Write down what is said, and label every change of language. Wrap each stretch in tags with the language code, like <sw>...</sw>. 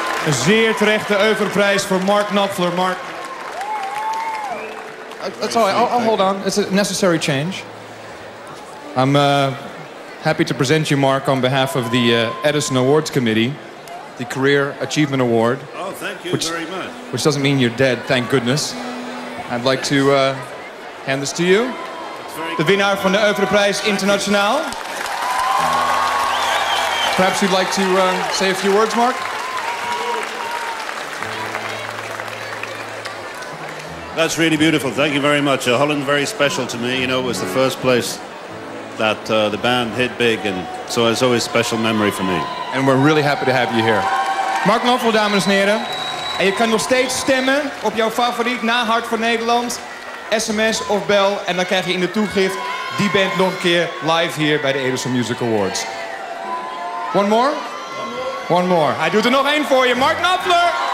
<nl>Zeer terecht de Oeuvreprijs voor Mark Knopfler. Mark.</nl> <en>That's all right. I'll hold on. It's a necessary change. I'm happy to present you, Mark, on behalf of the Edison Awards Committee, the Career Achievement Award. Oh, thank you very much. Which doesn't mean you're dead, thank goodness. I'd like to hand this to you. The winner from the Oeuvre Prize Internationaal. Perhaps you'd like to say a few words, Mark? That's really beautiful. Thank you very much. Holland very special to me. You know, it was the first place that the band hit big, and so it's always a special memory for me. And we're really happy to have you here.</en> <nl>Mark Knopfel, dames en heren. En je kan nog steeds stemmen op jouw favoriet na Hart voor Nederland. SMS of bel, en dan krijg je in de toegift die band nog een keer live hier bij de Edison Music Awards.</nl> <en>One more? One more.</en> <nl>Hij doet er nog één voor je, Mark Knopfler!</nl>